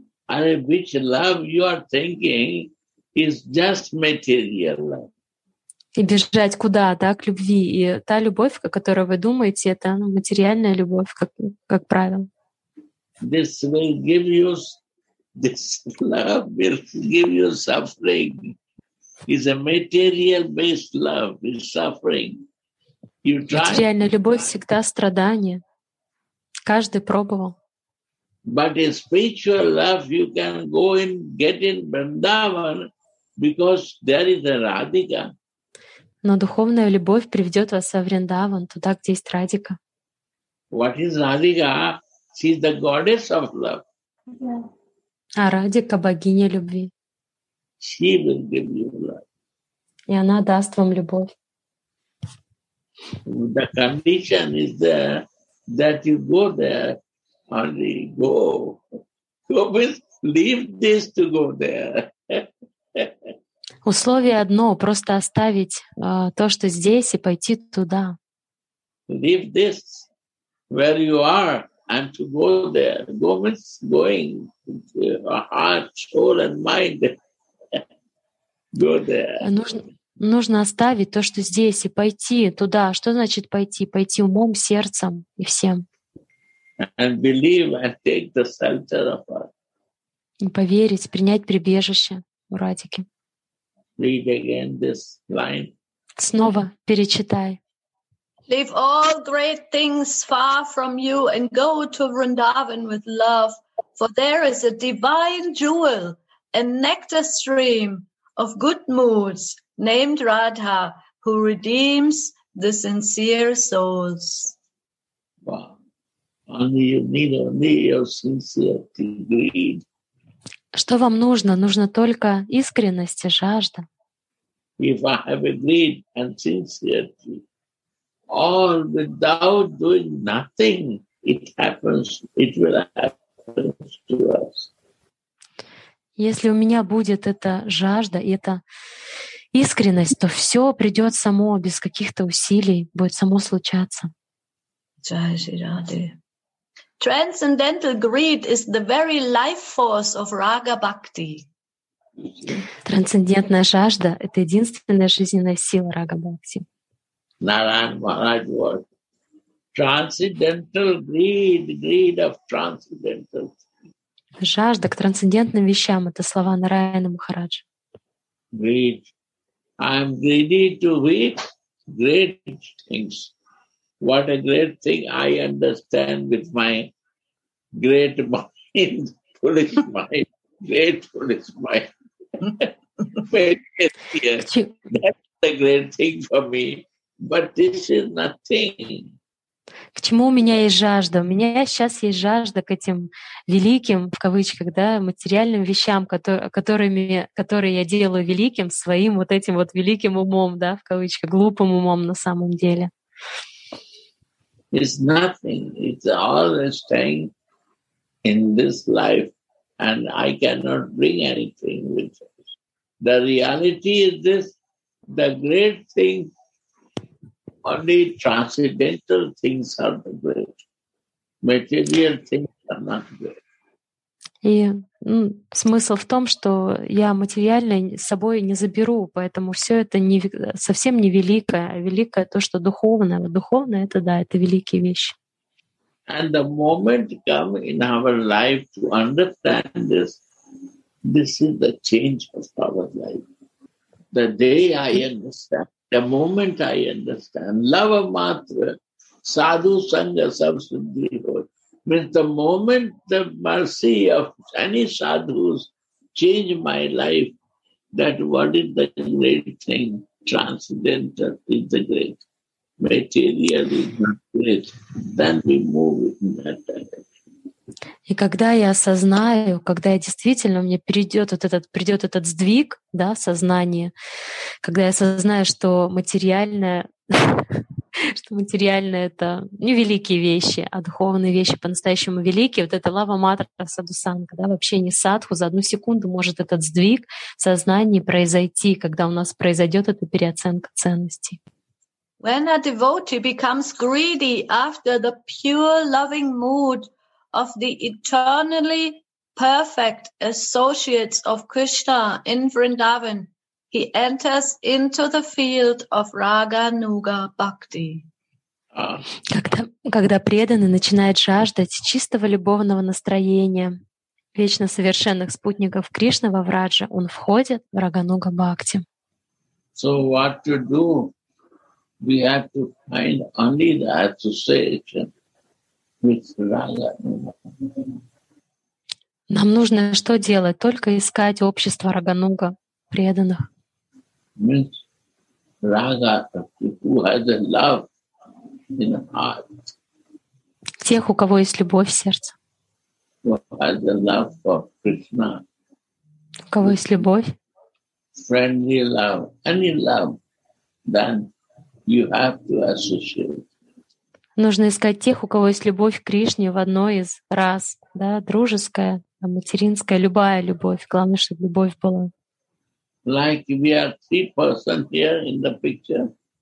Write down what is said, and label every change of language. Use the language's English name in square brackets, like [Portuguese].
[English] And which love you are thinking is just material love. [Russian] И бежать куда, да, к любви. И та любовь, о которой вы думаете, это ну, материальная любовь, как правило. [English] This will give you, this love will give you suffering. It's a material-based love, it's suffering. You try. [Russian] Материальная любовь всегда страдание. Каждый пробовал. [English] But in spiritual love you can go and get in Vrindavan because there is a Radhika. [Russian] Но духовная любовь приведет вас во Вриндаван, туда, где есть Радика. [English] What is Radhika? She is the goddess of love. [Russian] А Радика — богиня любви. [English] She will give you love. [Russian] И она даст вам любовь. [English] The condition is there that you go there only. Go. Go with, leave this to go there. [Russian] Условие одно — просто оставить то, что здесь, и пойти туда. [English] Leave this. where you are and to go there. Go means going. Heart, soul and mind. Go there. [Russian] Нужно оставить то, что здесь, и пойти туда. Что значит пойти? Пойти умом, сердцем и всем. [English] And believe and take the shelter of us. [Russian] И поверить, принять прибежище у Радики. [English] Read again this line. [Russian] Снова перечитай. [English] Leave all great things far from you and go to Vrindavan with love, for there is a divine jewel, a nectar stream of good moods, named Radha, who redeems the sincere souls. Wow. Only you need your sincerity, greed. [Russian] Что вам нужно? Нужно только искренность и жажда. [English] If I have a greed and sincerity, all without doing nothing, it happens, it will happen to us. [Russian] Если у меня будет эта жажда, это искренность, то все придет само, без каких-то усилий, будет само случаться. [Hindi] Jai Shri Radhe. [English] Transcendental greed is the very life force of Raga Bhakti. [Russian] Трансцендентная жажда — это единственная жизненная сила Рага Бхакти. [English] Narayan Maharaj was transcendental greed, greed of transcendental. [Russian] Жажда к трансцендентным вещам — это слова Нараяна Махараджа. [English] Greed. I'm greedy to reap great things. What a great thing I understand with my great mind, foolish mind, great foolish mind. That's a great thing for me. But this is nothing. [Russian] К чему у меня есть жажда? У меня сейчас есть жажда к этим великим, в кавычках, да, материальным вещам, которые я делаю великим своим вот этим вот великим умом, да, в кавычках, глупым умом на самом деле. [English] It's nothing. It's all staying in this life, and I cannot bring anything with us. The reality is this, the great thing. Only transcendental things are the great. Material things are not great. [Russian] И смысл в том, что я материально с собой не заберу, поэтому все это не, совсем не великое, а великое то, что духовное. Духовное — это да, это великие вещи. [English] And the moment come in our life to understand this, this is the change of our life. The day I understand, the moment I understand, [Sanskrit] lava matra, sadhu sangha sabsuddhi hoti. [English] With the moment the mercy of any sadhus changed my life, that what is the great thing? Transcendental is the great. Material is not great. Then we move in that direction. [Russian] И когда я осознаю, когда я действительно, мне перейдет вот этот, придет этот сдвиг, да, сознание, когда я осознаю, что материальное, что материальное — это не великие вещи, а духовные вещи по-настоящему великие, вот это лава матра садусанга, да, вообще не садху, за одну секунду может этот сдвиг в сознании произойти, когда у нас произойдет эта переоценка ценностей. [English] When a devotee becomes greedy after the pure loving mood of the eternally perfect associates of Krishna in Vrindavan, he enters into the field of Raga Nuga Bhakti. [Russian] Когда преданный начинает жаждать чистого любовного настроения вечно совершенных спутников Кришны во Враджа, он входит в Рага Нуга Бхакти. [English] So what to do? We have to find only the association with Raga Nuga. [Russian] Нам нужно что делать? Только искать общество Рага Нуга преданных. [English] Means Raga, who has a love in heart. [Russian] Тех, у кого есть любовь в сердце. [English] Who has a love for Krishna. [Russian] У кого есть любовь. [English] Friendly love, any love, then you have to associate. [Russian] Нужно искать тех, у кого есть любовь к Кришне в одной из раз, да, дружеская, материнская, любая любовь. Главное, чтобы любовь была. [English] Like we are three persons here in the picture.